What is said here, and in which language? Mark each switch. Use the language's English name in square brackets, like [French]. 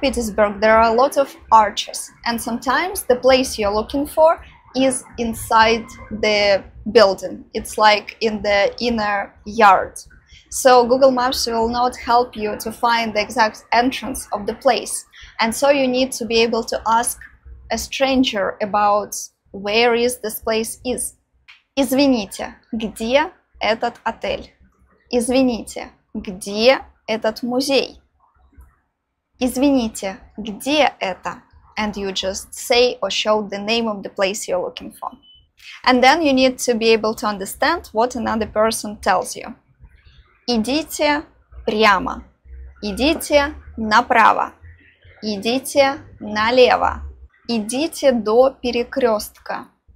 [English] Petersburg, there are a lot of arches, and sometimes the place you're looking for is inside the building. It's like in the inner yard. So Google Maps will not help you to find the exact entrance of the place. And so you need to be able to ask a stranger about where is this place is. [Russian] Извините, где этот отель? Извините, где этот музей? Извините, где это? [English] And you just say or show the name of the place you're looking for. And then you need to be able to understand what another person tells you. [Russian] Идите прямо. Идите направо. Идите налево. Идите до перекрестка.